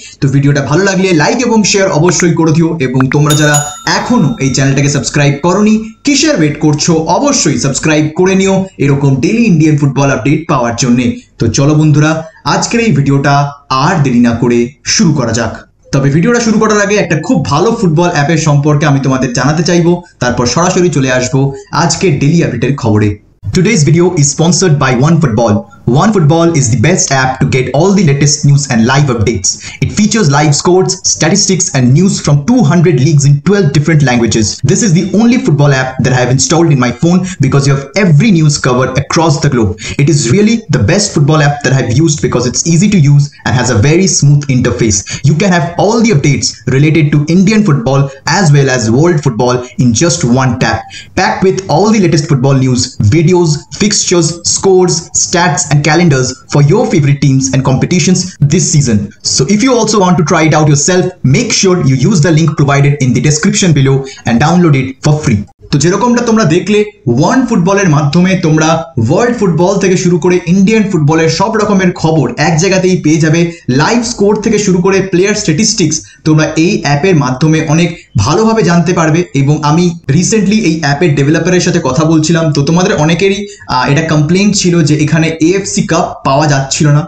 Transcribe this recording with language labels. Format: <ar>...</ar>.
<bn>তো ভিডিওটা ভালো লাগলে লাইক এবং শেয়ার অবশ্যই করে দিও, এবং তোমরা যারা এখনো এই চ্যানেলটাকে সাবস্ক্রাইব করনি, কিসের ওয়েট করছো, অবশ্যই সাবস্ক্রাইব করে নিও এরকম ডেলি ইন্ডিয়ান ফুটবল আপডেট পাওয়ার জন্য। তো চলো বন্ধুরা, আজকের এই ভিডিওটা আর দেরি না করে শুরু করা যাক। তবে ভিডিওটা শুরু করার আগে একটা খুব ভালো ফুটবল অ্যাপের সম্পর্কে আমি তোমাদের জানাতে চাইবো, তারপর সরাসরি চলে আসবো আজকে ডেলি আপডেটের খবরে।</bn> <en>Today's video is sponsored by OneFootball. OneFootball is the best app to get all the latest news and live updates. It features live scores, statistics and news from 200 leagues in 12 different languages. This is the only football app that I have installed in my phone because you have every news covered across the globe. It is really the best football app that I have used because it's easy to use and has a very smooth interface. You can have all the updates related to Indian football as well as world football in just one tap. Packed with all the latest football news, videos, fixtures, scores, stats and calendars for your favorite teams and competitions this season. So if you also want to try it out yourself, make sure you use the link provided in the description below and download it for free.</en> <bn>তো যেরকমটা তোমরা দেখলে, one ফুটবলের মাধ্যমে তোমরা world football থেকে শুরু করে ইন্ডিয়ান ফুটবলের সব রকমের খবর এক জায়গাতেই পেয়ে যাবে। লাইভ স্কোর থেকে শুরু করে প্লেয়ার স্ট্যাটিস্টিক্স তোমরা এই অ্যাপের মাধ্যমে অনেক ভালোভাবে জানতে পারবে। এবং আমি রিসেন্টলি এই অ্যাপের ডেভেলপারের সাথে কথা বলছিলাম, তো তোমাদের অনেকেরই এটা কমপ্লেইন ছিল যে এখানে AFC কাপ পাওয়া যাচ্ছিল না।</bn>